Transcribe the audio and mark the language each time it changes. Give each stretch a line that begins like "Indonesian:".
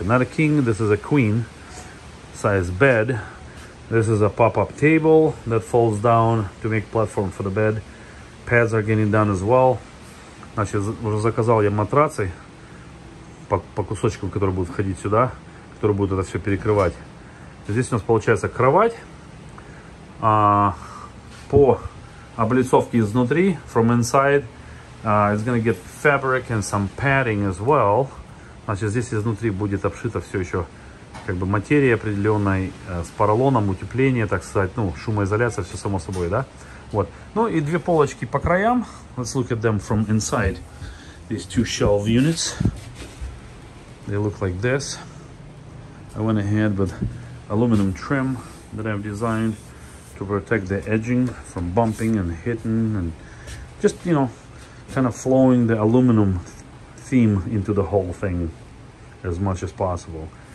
English: Not a king, this is a queen size bed. This is a pop-up table that folds down to make platform for the bed. Pads are getting done as well.
Russian: Значит, уже заказал я матрацы по кусочкам, которые будут входить сюда, которые будут это все перекрывать. Здесь у нас получается кровать, по облицовке изнутри,
English: from inside, it's gonna get fabric and some padding as well.
Russian: Значит, здесь изнутри будет обшито все еще, как бы, материей определенной, с поролоном, утепление, так сказать, ну, шумоизоляция, все само собой, да? Вот. Ну, и две полочки по краям.
English: Let's look at them from inside. These two shelf units, they look like this. I went ahead with aluminum trim that I've designed to protect the edging from bumping and hitting and just, you know, kind of flowing the aluminum theme into the whole thing as much as possible.